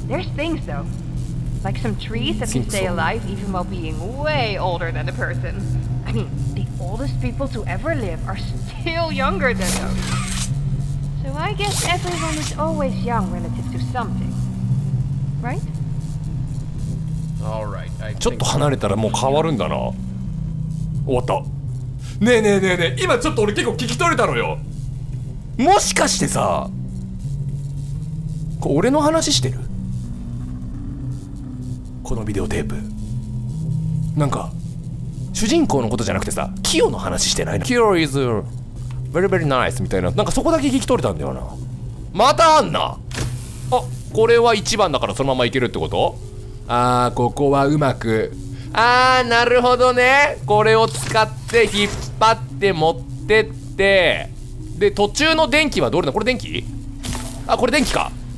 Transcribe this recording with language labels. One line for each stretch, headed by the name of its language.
English: There's things though, like some trees that can stay alive even while being way older than a person. I mean, the oldest people to ever live are still younger than those. So I guess everyone is always young relative to something, right?
Japanese: ちょっと離れたらもう変わるんだな。終わった。ねえねえねえねえ、今ちょっと俺結構聞き取れたのよ。もしかしてさ、こ、俺の話してる？このビデオテープ、なんか主人公のことじゃなくてさ、キヨの話してないの？
English: キヨ is very very nice
Japanese: みたいな、なんかそこだけ聞き取れたんだよな。またあんな。あ、これは1番だからそのままいけるってこと？あー、ここはうまく、あー、なるほどね、これを使って引っ張って持ってって、で、途中の電気はどれだ、これ電気、あ、これ電気か、